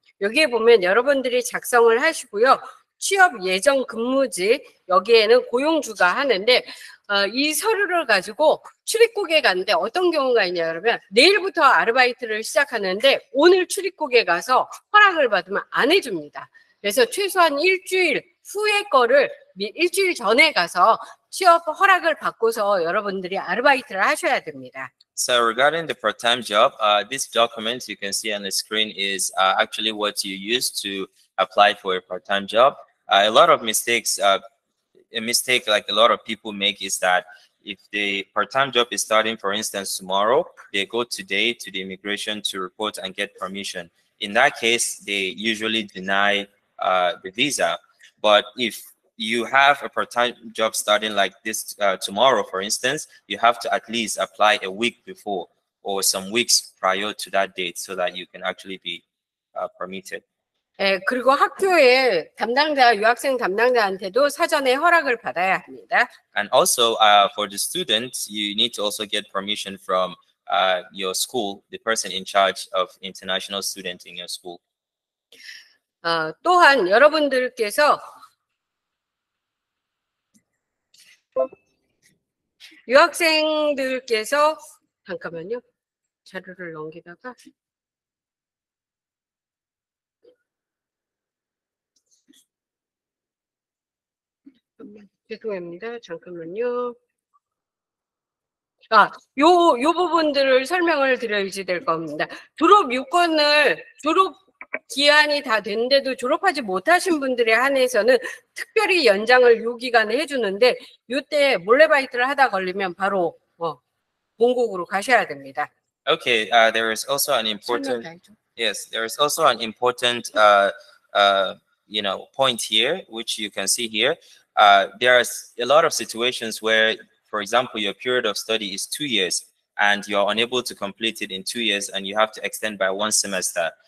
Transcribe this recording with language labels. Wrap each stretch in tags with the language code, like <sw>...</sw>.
<ko>여기에 보면 여러분들이 작성을 하시고요. 취업 예정 근무지 여기에는 고용주가 하는데 이 서류를 가지고 출입국에 갔는데 어떤 경우가 있냐 그러면 내일부터 아르바이트를 시작하는데 오늘 출입국에 가서 허락을 받으면 안 해줍니다. 그래서 최소한 일주일 후에 거를 일주일 전에 가서 취업 허락을 받고서 여러분들이 아르바이트를 하셔야 됩니다.</ko> <en>So regarding the part-time job, this document you can see on the screen is actually what you use to apply for a part-time job. A lot of mistakes, a mistake like a lot of people make is that if the part-time job is starting, for instance, tomorrow, they go today to the immigration to report and get permission. In that case, they usually deny the visa. But if you have a part-time job starting like this tomorrow, for instance, you have to at least apply a week before or some weeks prior to that date so that you can actually be permitted.</en> <ko>예, 그리고 학교의 담당자, 유학생 담당자한테도 사전에 허락을 받아야 합니다.</ko> <en>And also for the students, you need to also get permission from your school, the person in charge of international student in your school.</en> <ko>또한 여러분들께서 유학생들께서 잠깐만요. 자료를 넘기다가 죄송합니다. 잠깐만요. 아, 요 부분들을 설명을 드려야지 될 겁니다. 졸업 요건을 졸업 기한이 다 됐는데도 졸업하지 못하신 분들에 한해서는 특별히 연장을 요 기간에 해주는데 요때 몰래바이트를 하다 걸리면 바로 본국으로 가셔야 됩니다.</ko> <en>Okay, there is also an important yes, there is also an important you know point here which you can see here. There are a lot of situations where, for example, your period of study is 2 years and you're unable to complete it in 2 years and you have to extend by one semester.</en>